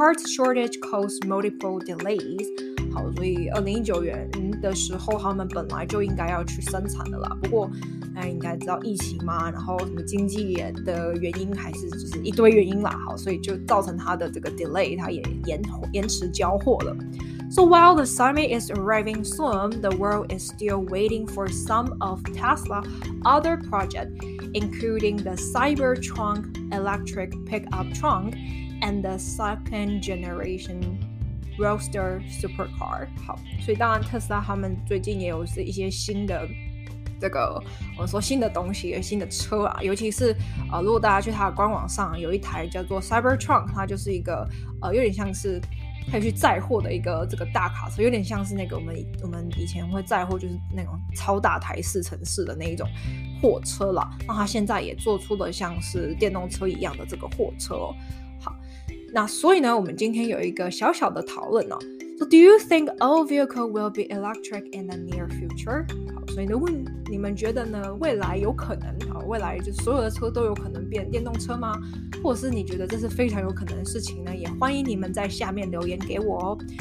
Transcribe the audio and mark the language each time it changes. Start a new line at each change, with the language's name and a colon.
English: Parts shortage caused multiple delays.
Chinese: 好，所以2019年的时候他们本来就应该要去生产的啦。不过，哎，应该知道疫情嘛，然后什么经济的原因还是就是一堆原因啦。好，所以就造成他的这个 delay， 他也 延迟交货了。
English: So while the summit is arriving soon, the world is still waiting for some of Tesla's other projects, including the Cybertruck electric pickup truck and the second generation Roadster supercar.
Chinese: 好，所以当然特斯拉他们最近也有一些新的这个我们说新的东西，新的车啊，尤其是如果大家去他的官网上有一台叫做 Cybertruck， 它就是一个有点像是可以去载货的一个这个大卡车，有点像是那个我们以前会载货，就是那种超大台四乘四的那一种货车啦。那它现在也做出了像是电动车一样的这个货车哦。好，那所以呢，我们今天有一个小小的讨论哦。
English: So do you think all vehicle will be electric in the near future?
Chinese: 好，所以呢，问你们觉得呢，未来有可能啊，未来就所有的车都有可能变电动车吗？或者是你觉得这是非常有可能的事情呢？也欢迎你们在下面留言给我哦。